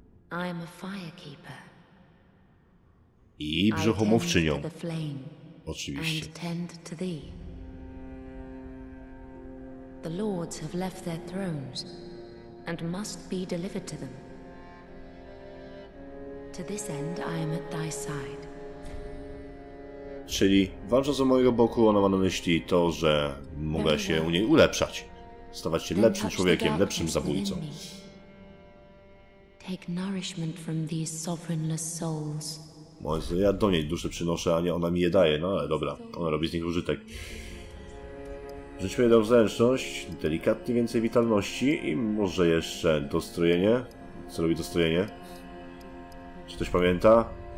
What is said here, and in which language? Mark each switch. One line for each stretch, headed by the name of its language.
English: I am a firekeeper.
Polish: I brzuchomówczynią. Oczywiście.
English: And tend to thee. The lords have left their thrones and must be delivered to them. To this end I am at thy side.
Polish: Czyli walcząc o mojego boku, ona ma na myśli to, że mogę się u niej ulepszać. Stawać się lepszym człowiekiem, lepszym zabójcą.
English: Take nourishment from these sovereignless souls.
Polish: Ja do niej duszę przynoszę, a nie ona mi je daje. No ale dobra, ona robi z nich użytek. Rzućmy jedną zręczność, delikatnie więcej witalności i może jeszcze dostrojenie. Co robi dostrojenie? Czy ktoś pamięta?